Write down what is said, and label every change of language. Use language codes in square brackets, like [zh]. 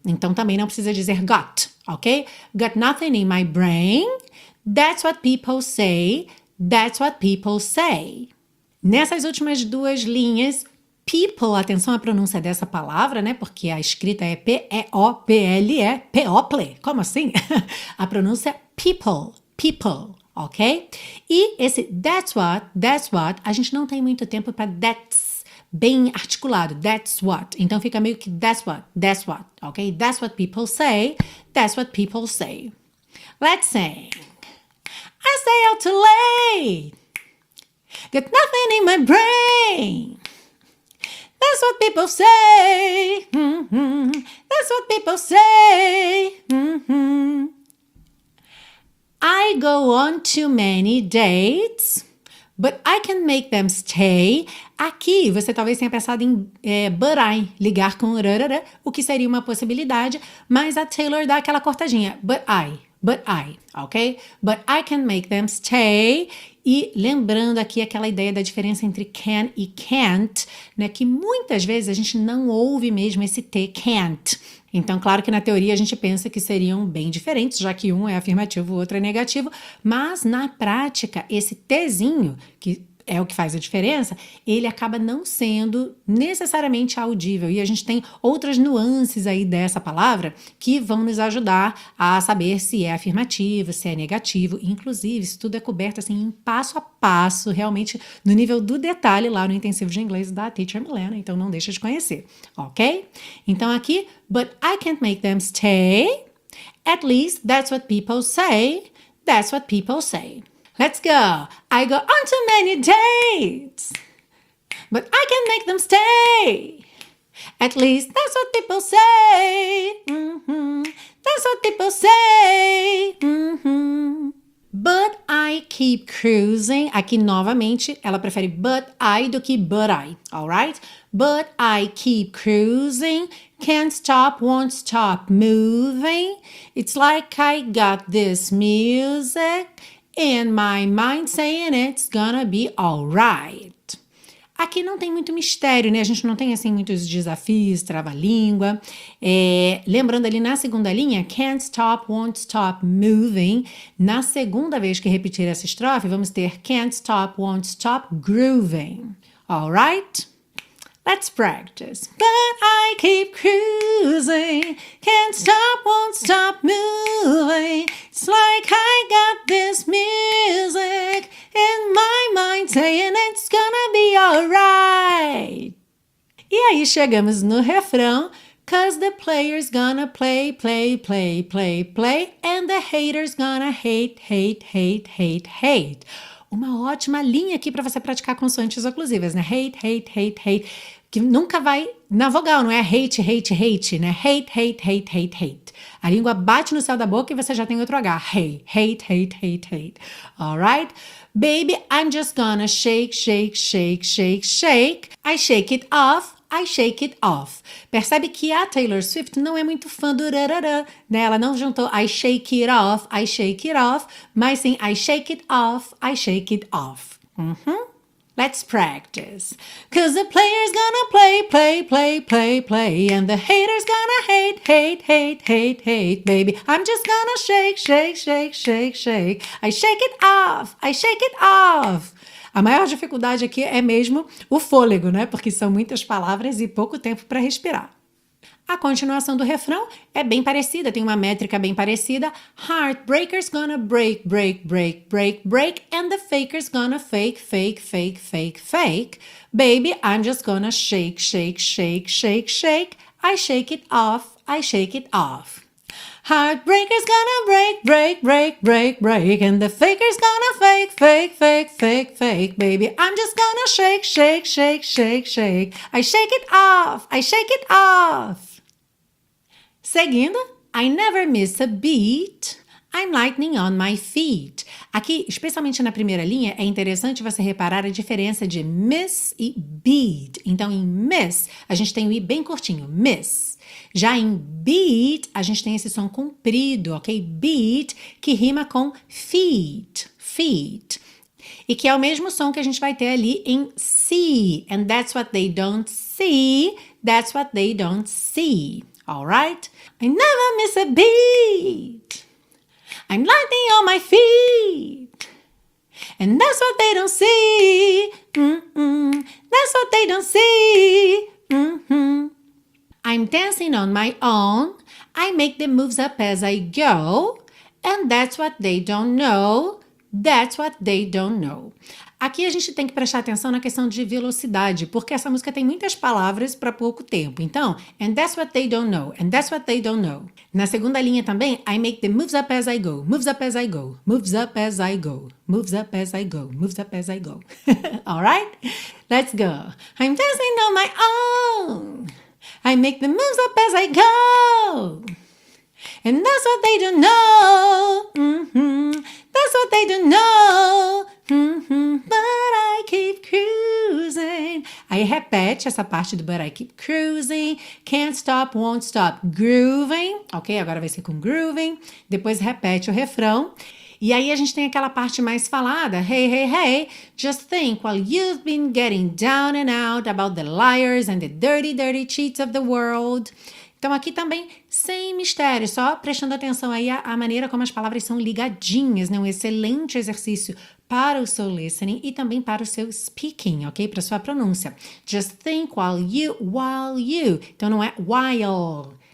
[pt] Então também não precisa dizer got, ok? [en] Got nothing in my brain. That's what people say. That's what people say. [pt] Nessas últimas duas linhas, people, atenção à pronúncia dessa palavra, né? Porque a escrita é P-E-O-P-L-E, P-O-P-L-E, como assim? A pronúncia people, people. Ok? E esse [en] that's what, [pt] a gente não tem muito tempo para that's bem articulado, that's what. Então fica meio que [en] that's what, [pt] ok? [en] That's what people say, that's what people say. Let's sing. I stay out too late. Got nothing in my brain. That's what people say. Mm-hmm. That's what people say. Mm-hmm. I go on too many dates, but I can make them stay. [pt] Aqui, você talvez tenha pensado em [en] but I, [pt] ligar com rarara, o que seria uma possibilidade, mas a Taylor dá aquela cortadinha, but I, ok? [en] But I can make them stay. [pt] E lembrando aqui aquela ideia da diferença entre can e can't, né? Que muitas vezes a gente não ouve mesmo esse T, can't. Então, claro que na teoria a gente pensa que seriam bem diferentes, já que um é afirmativo, o outro é negativo, mas na prática, esse Tzinho, que é o que faz a diferença, ele acaba não sendo necessariamente audível. E a gente tem outras nuances aí dessa palavra que vão nos ajudar a saber se é afirmativo, se é negativo. Inclusive, isso tudo é coberto assim em passo a passo, realmente no nível do detalhe lá no intensivo de inglês da Teacher Milena. Então, não deixa de conhecer, ok? Então, aqui, [en] but I can't make them stay. At least, that's what people say. That's what people say. Let's go. I go on too many dates, but I can make them stay. At least that's what people say. Mm-hmm. That's what people say. Mm-hmm. But I keep cruising. [pt] Aqui, novamente, ela prefere but I do que but I, alright? [en] But I keep cruising. Can't stop, won't stop moving. It's like I got this music in my mind saying it's gonna be alright. [pt] Aqui não tem muito mistério, né? A gente não tem, assim, muitos desafios, trava-língua. É, lembrando ali na segunda linha, [en] can't stop, won't stop moving. [pt] Na segunda vez que repetir essa estrofe, vamos ter [en] can't stop, won't stop grooving. [pt] Alright? [en] Let's practice. But I keep cruising. Can't stop, won't stop moving. It's like I got this music in my mind saying it's gonna be alright. [pt] E aí chegamos no refrão. [en] 'Cause the player's gonna play, play, play, play, play. And the hater's gonna hate, hate, hate, hate, hate. [pt] Uma ótima linha aqui para você praticar consoantes oclusivas, né? [en] Hate, hate, hate, hate. [pt] Que nunca vai na vogal, não é hate, hate, hate, né? [en] Hate, hate, hate, hate, hate. [pt] A língua bate no céu da boca e você já tem outro H. [en] Hey, hate, hate, hate, hate. Alright? Baby, I'm just gonna shake, shake, shake, shake, shake. I shake it off, I shake it off. [pt] Percebe que a Taylor Swift não é muito fã do rarará, né? Ela não juntou [en] I shake it off, [pt] I shake it off. Mas sim, [en] I shake it off, I shake it off. Uhum. Let's practice. 'Cause the player's gonna play, play, play, play, play. And the hater's gonna hate, hate, hate, hate, hate, baby. I'm just gonna shake, shake, shake, shake, shake. I shake it off, I shake it off. [pt] A maior dificuldade aqui é mesmo o fôlego, né? Porque são muitas palavras e pouco tempo para respirar. A continuação do refrão é bem parecida, tem uma métrica bem parecida. [en] Heartbreaker's gonna break, break, break, break, break. And the faker's gonna fake, fake, fake, fake, fake. Baby, I'm just gonna shake, shake, shake, shake, shake. I shake it off, I shake it off. Heartbreaker's gonna break, break, break, break, break. And the faker's gonna fake, fake, fake, fake, fake. Baby, I'm just gonna shake, shake, shake, shake, shake. I shake it off, I shake it off. [pt] Seguindo, [en] I never miss a beat, I'm lightning on my feet. [pt] Aqui, especialmente na primeira linha, é interessante você reparar a diferença de miss e beat. Então, em miss, a gente tem o I bem curtinho, miss. Já em beat, a gente tem esse som comprido, ok? Beat, que rima com feet, feet. E que é o mesmo som que a gente vai ter ali em see. [en] And that's what they don't see, that's what they don't see. Alright? I never miss a beat. I'm lightning on my feet. And that's what they don't see. Mm-mm. That's what they don't see. Mm-hmm. I'm dancing on my own. I make the moves up as I go. And that's what they don't know. That's what they don't know. [pt] Aqui a gente tem que prestar atenção na questão de velocidade, porque essa música tem muitas palavras para pouco tempo. Então, [en] and that's what they don't know, and that's what they don't know. [pt] Na segunda linha também, [en] I make the moves up as I go, moves up as I go, moves up as I go, moves up as I go, moves up as I go. Alright? Let's go. I'm dancing on my own. I make the moves up as I go. And that's what they don't know. Mm-hmm. That's what they don't know. Mm-hmm, but I keep cruising. [pt] Aí repete essa parte do [en] but I keep cruising. Can't stop, won't stop grooving. [pt] Ok, agora vai ser com grooving. Depois repete o refrão. E aí a gente tem aquela parte mais falada. [en] Hey, hey, hey. Just think while you've been getting down and out about the liars and the dirty, dirty cheats of the world. [pt] Então aqui também sem mistério, só prestando atenção aí à maneira como as palavras são ligadinhas, né? Um excelente exercício para o seu listening e também para o seu speaking, ok? Para a sua pronúncia. [en] Just think while you, [pt] então não é while.